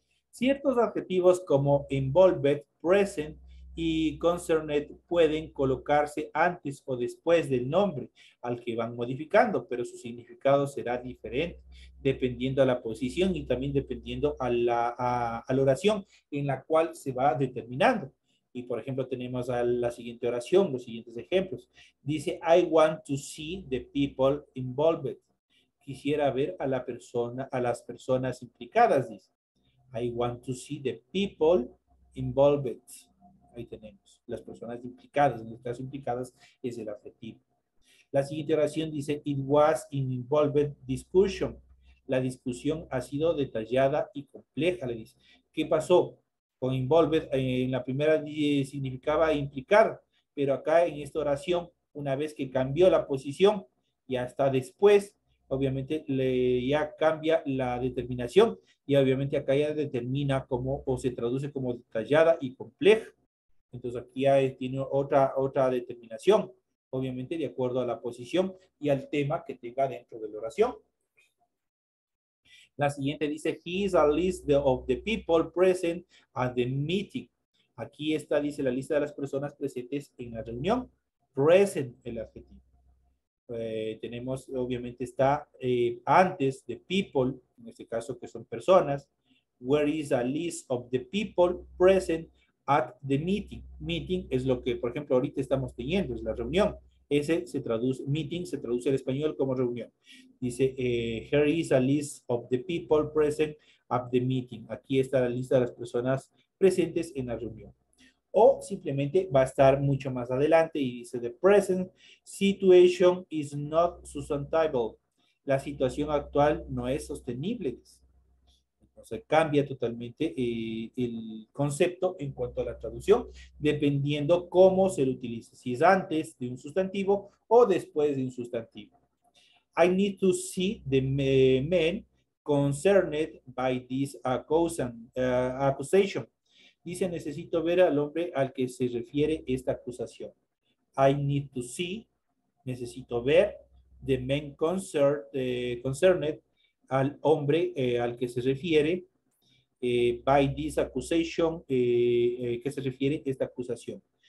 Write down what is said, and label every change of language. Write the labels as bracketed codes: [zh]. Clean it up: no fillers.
[es] Ciertos adjetivos como involved, present y concerned pueden colocarse antes o después del nombre al que van modificando, pero su significado será diferente dependiendo a la posición y también dependiendo a la oración en la cual se va determinando. Y, por ejemplo, tenemos a la siguiente oración, los siguientes ejemplos. Dice, [en] I want to see the people involved. [es] Quisiera ver a las personas implicadas, dice. [en] I want to see the people involved. [es] Ahí tenemos las personas implicadas. En el caso implicadas es el adjetivo. La siguiente oración dice, [en] it was an involved discussion. [es] La discusión ha sido detallada y compleja, le dice. ¿Qué pasó? Con involved, en la primera significaba implicar, pero acá en esta oración, una vez que cambió la posición y hasta después, obviamente le ya cambia la determinación y obviamente acá ya determina como o se traduce como detallada y compleja. Entonces aquí ya tiene otra determinación, obviamente de acuerdo a la posición y al tema que tenga dentro de la oración. La siguiente dice, [en] he is a list of the people present at the meeting. [es] Aquí está, dice, la lista de las personas presentes en la reunión. Present, el adjetivo. Tenemos, obviamente, está antes de people, en este caso que son personas. [en] Where is a list of the people present at the meeting? [es] Meeting es lo que, por ejemplo, ahorita estamos teniendo, es la reunión. Ese se traduce, meeting se traduce al español como reunión. Dice, [en] here is a list of the people present at the meeting. [es] Aquí está la lista de las personas presentes en la reunión. O simplemente va a estar mucho más adelante y dice, [en] the present situation is not sustainable. [es] La situación actual no es sostenible. Entonces cambia totalmente el concepto en cuanto a la traducción, dependiendo cómo se lo utilice. Si es antes de un sustantivo o después de un sustantivo. [en] I need to see the men concerned by this accusation. [es] Dice, necesito ver al hombre al que se refiere esta acusación. [en] I need to see, [es] necesito ver, [en] the men concerned, [es] al hombre al que se refiere, [en] by this accusation, [es] que se refiere esta acusación.